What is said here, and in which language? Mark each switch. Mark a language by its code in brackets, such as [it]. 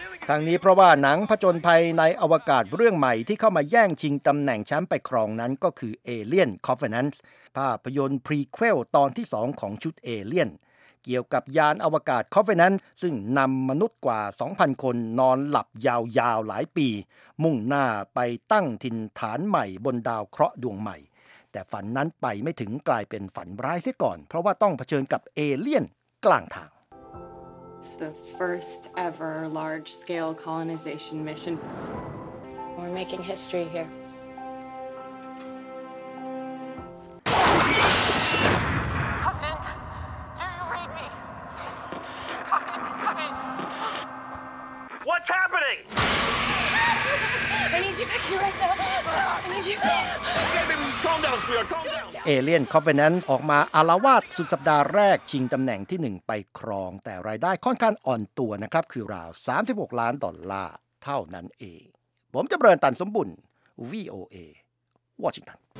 [th] ทางนี้เพราะว่าหนังผจญภัยในอวกาศเรื่องใหม่ที่เข้ามาแย่งชิงตำแหน่งแชมป์ไปครองนั้นก็คือ Alien Covenant ภาพยนตร์พรีเควลตอนที่2ของชุด Alien เกี่ยวกับยานอวกาศ Covenant ซึ่งนำมนุษย์กว่า 2,000 คนนอนหลับยาวๆหลายปีมุ่งหน้าไปตั้งถิ่นฐานใหม่บนดาวเคราะห์ดวงใหม่ แต่ฝันนั้นไปไม่ถึงกลายเป็นฝันร้ายเสียก่อนเพราะว่าต้องเผชิญกับเอเลี่ยนกลางทาง [en] It's the first ever large scale colonization mission. We're making history here. Covenant, do you read me? Covenant. What's happening? I need you back here right now. I need you back. [th] เอเลียนคอฟเวนันต์ออกมาอาละวาดสุดสัปดาห์แรกชิงตำแหน่งที่1ไปครองแต่รายได้ค่อนข้างอ่อนตัวนะครับคือราว36ล้านดอลลาร์เท่านั้นเองผมจะเริ่มตันสมบุญ VOA วอชิงตัน